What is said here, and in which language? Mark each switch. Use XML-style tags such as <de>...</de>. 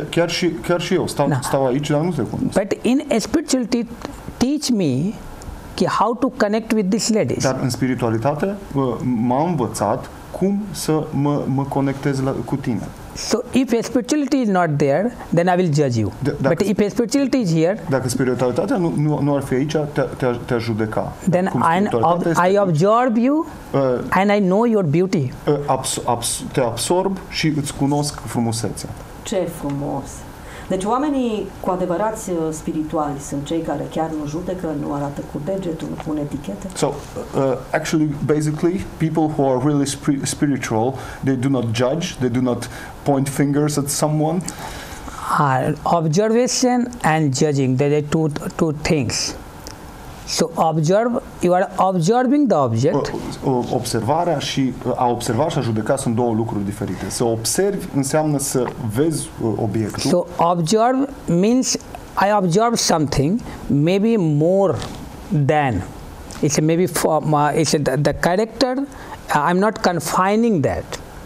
<ro>Chiar și eu stau aici, dar nu te cunosc.</ro> <en>But in spirituality, teach me how to connect with these ladies.</en> <ro>Dar în spiritualitate m-a învățat cum să mă conectez cu tine.</ro> <en>So if spirituality is not there, then I will judge you. But if spirituality is here,</en> <ro>dacă spiritualitatea nu ar fi aici, te judeca.</ro> <en>Then I absorb you and I know your beauty.</en> <ro>Te absorb și îți cunosc frumusețea. Ce frumos! Deci oamenii cu adevărați spirituali sunt cei care chiar nu judecă, nu arată cu degetul, nu pun etichete.</ro> <en>So, actually, basically, people who are really spiritual, they do not judge, they do not point fingers at someone. observation and judging, there are two things. So observe, you are observing the object.</en> <ro>Observarea și a observa și a judeca sunt două lucruri diferite. Să observi înseamnă să vezi obiectul.</ro> <en>So observe means I observe something, maybe more than. It's maybe for my, it's the character, I'm not confining that.</en>